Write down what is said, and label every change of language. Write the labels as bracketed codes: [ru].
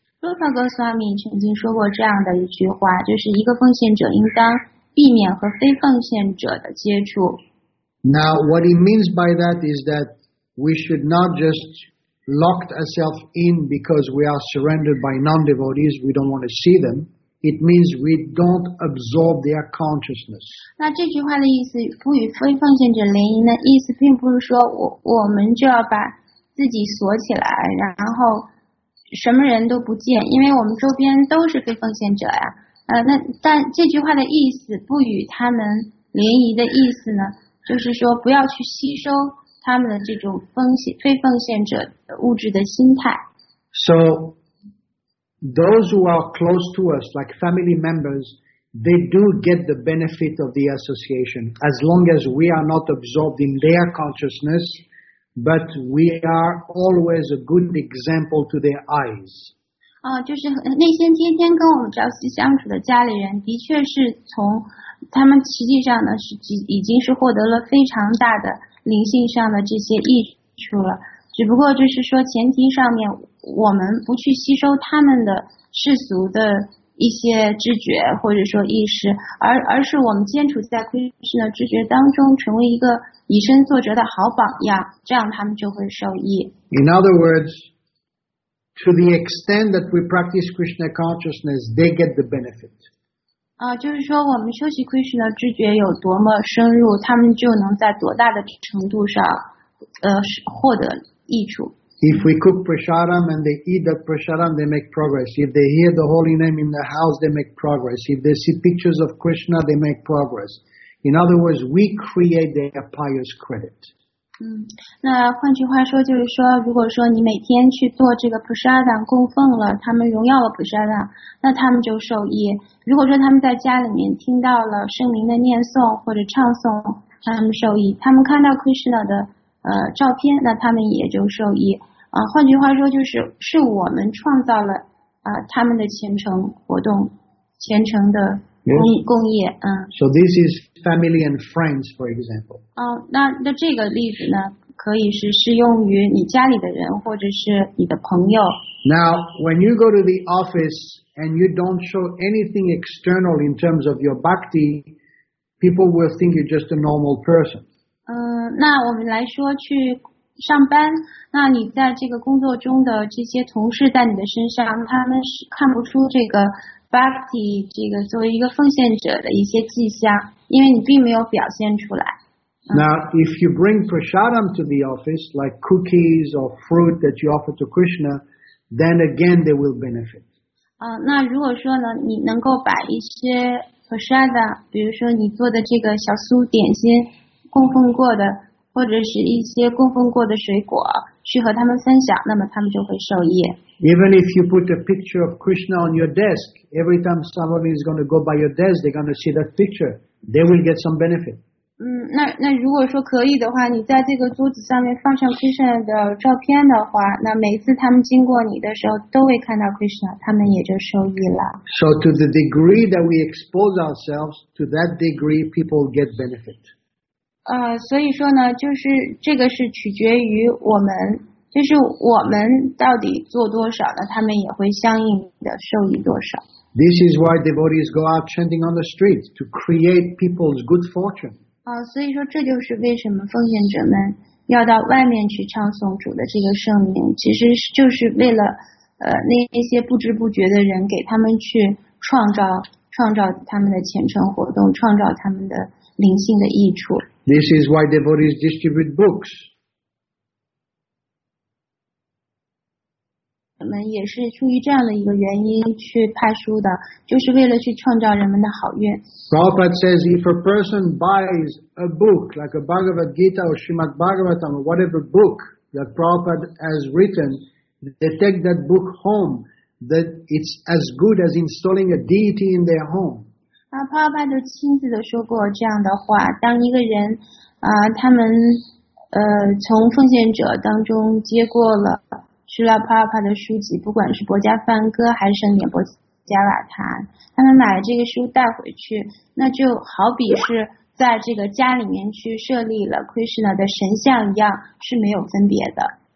[zh] Rupa Goswami 曾经说过这样的一句话，就是一个奉献者应当避免和非奉献者的接触。 [en] Now, what he means by that is that we should not just lock ourselves in because we are surrounded by non-devotees, we don't want to see them. It means we don't absorb their consciousness. [zh] 那这句话的意思，不与非奉献者联谊的意思，并不是说我们就要把自己锁起来，然后什么人都不见，因为我们周边都是非奉献者呀。但这句话的意思，不与他们联谊的意思呢？就是说不要去吸收他们的这种非奉献者的物质的心态。 [en] So those who are close to us like family members, they do get the benefit of the association as long as we are not absorbed in their consciousness, but we are always a good example to their eyes. [zh] 就是那些天天跟我们朝夕相处的家里人的确是从他们实际上呢是已经是获得了非常大的灵性上的这些益处了，只不过就是说前提上面我们不去吸收他们的世俗的一些知觉或者说意识，而是我们坚持在 Krishna 的知觉当中，成为一个以身作则的好榜样，这样他们就会受益。 [en] In other words, to the extent that we practice Krishna consciousness, they get the benefit. [zh] 就是说我们修习 Krishna 的知觉有多么深入，他们就能在多大的程度上获得益处。 [en] If we cook prasadam and they eat that prasadam, they make progress. If they hear the holy name in the house, they make progress. If they see pictures of Krishna, they make progress. In other words, we create their pious credit. [zh] 那换句话说就是说，如果说你每天去做这个 prasadam 供奉了，他们荣耀了 prasadam， 那他们就受益。如果说他们在家里面听到了圣灵的念诵或者唱诵，他们受益；他们看到 Krishna 的照片，那他们也就受益。换句话说就是，是我们创造了他们的虔诚活动、虔诚的工业。 [en] So this is family and friends, for example. [zh] 那这个例子呢，可以是适用于你家里的人或者是你的朋友。 [en] Now, when you go to the office and you don't show anything external in terms of your bhakti, people will think you're just a normal person. [zh] 那我们来说去上班，那你在这个工作中的这些同事在你的身上，他们是看不出这个bhakti 这个作为一个奉献者的一些迹象，因为你并没有表现出来。 [en] Now, if you bring prasadam to the office, like cookies or fruit that you offer to Krishna, then again they will benefit. [zh] 那如果说呢，你能够把一些 prasadam， 比如说你做的这个小酥点心，供奉过的，或者是一些供奉过的水果，去和他们分享，那么他们就会受益。 [en] Even if you put a picture of Krishna on your desk, every time somebody is going to go by your desk, they're going to see that picture. They will get some benefit. [zh] 那如果说可以的话，你在这个桌子上面放上 Krishna 的照片的话，那每次他们经过你的时候都会看到 Krishna， 他们也就受益了。 [en] So to the degree that we expose ourselves, to that degree people get benefit. [zh] 所以说呢，就是这个是取决于我们。就是我们到底做多少呢，他们也会相应的受益多少。 [en] This is why devotees go out chanting on the streets to create people's good fortune. [zh] 所以说这就是为什么奉献者们要到外面去唱诵主的这个圣名，其实就是为了那些不知不觉的人，给他们去创造他们的虔诚活动，创造他们的灵性的益处。 [en] This is why devotees distribute books. [zh] 我们也是出于这样的一个原因去派书的，就是为了去创造人们的好运。 [en] Prabhupada says if a person buys a book, like a Bhagavad Gita or Srimad Bhagavatam or whatever book that Prabhupada has written, they take that book home, that it's as good as installing a deity in their home. [zh] Prabhupada 就亲自的说过这样的话，当一个人他们从奉献者当中接过了Srila Prabhupada的书籍，不管是《薄伽梵歌》还是《圣严波伽瓦坛》，他们买这个书带回去，那就好比是在这个家里面去设立了 Krishna 的神像一样，是没有分别的。